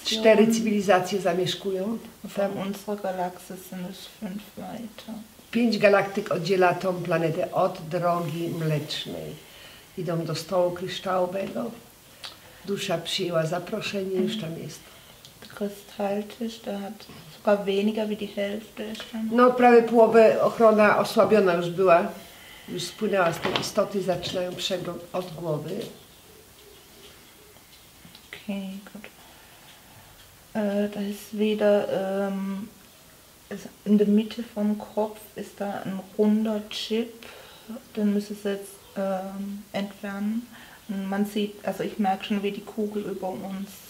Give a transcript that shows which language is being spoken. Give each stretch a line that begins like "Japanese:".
Polish: 4 cywilizacje zamieszkują.
German: Von unserer Galaxie sind es 5 weiter.
Polish: 5 galaktyk oddziela tą planetę od Drogi Mlecznej. Idą do stołu kryształowego. Dusza przyjęła zaproszenie, już tam jest.
German: Krystaltisch, da hat sogar weniger wie die Hälfte.
Polish: No, prawie połowę ochrona osłabiona już była. Już spłynęła z tej istoty, zaczynają przegląd od głowy.
German: Okay, gut. Da ist wieder, in der Mitte vom Kopf ist da ein runder Chip, den müssen sie jetzt entfernen. Und man sieht, also ich merke schon, wie die Kugel über uns.